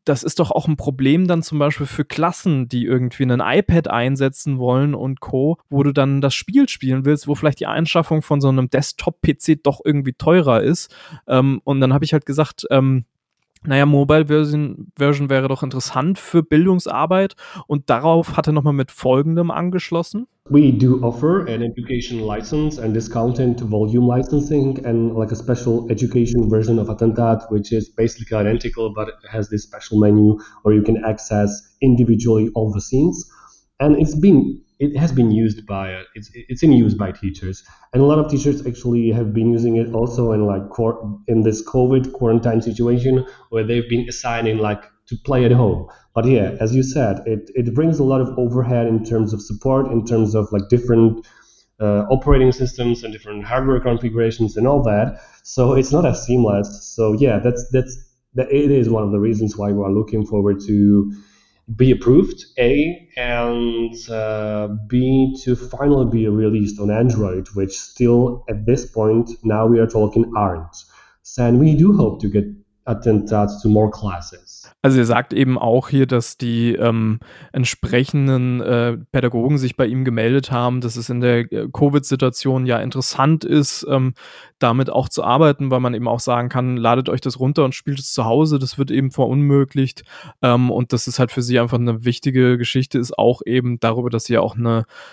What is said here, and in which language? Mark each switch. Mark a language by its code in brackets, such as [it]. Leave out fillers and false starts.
[de] Das ist doch auch ein Problem dann zum Beispiel für Klassen, die irgendwie ein iPad einsetzen wollen und Co., wo du dann das Spiel spielen willst, wo vielleicht die Anschaffung von so einem Desktop-PC doch irgendwie teurer ist. Und dann habe ich halt gesagt, naja, Mobile-Version wäre doch interessant für Bildungsarbeit. Und darauf hat er nochmal mit Folgendem angeschlossen. [en] We do offer an education license and discounted volume licensing and like a special education version of Attentat, which is basically identical, but has this special menu where you can access individually all the scenes. And it's been used by teachers, and a lot of teachers actually have been using it also in like in this COVID quarantine situation where they've been assigning like to play at home. But yeah, as you said, it brings a lot of overhead in terms of support, in terms of like different operating systems and different hardware configurations and all that. So it's not as seamless. So yeah, it is one of the reasons why we are looking forward to be approved, A, and B, to finally be released on Android, which still at this point, now we are talking, aren't. And we do hope to get Attentats to more classes. [de] Also er sagt eben auch hier, dass die entsprechenden Pädagogen sich bei ihm gemeldet haben, dass es in der Covid-Situation ja interessant ist, damit auch zu arbeiten, weil man eben auch sagen kann, ladet euch das runter und spielt es zu Hause, das wird eben verunmöglicht und dass es halt für sie einfach eine wichtige Geschichte ist, auch eben darüber, dass sie ja auch eine